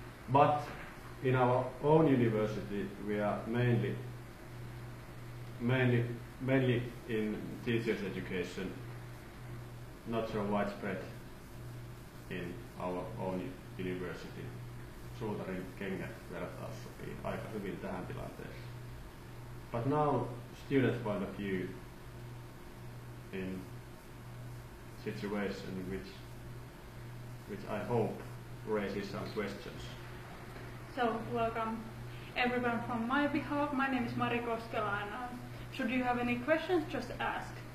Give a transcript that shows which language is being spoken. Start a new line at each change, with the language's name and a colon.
English: But in our own university we are mainly in teachers' education, not so widespread in our own university.
Finnish: Suutarin kengät vertaus sopii aika hyvin tähän tilanteeseen.
English: But now, student point of view in situation which I hope raises some questions. So, welcome everyone from my behalf. My name is Mari Koskela and should you have any questions, just ask.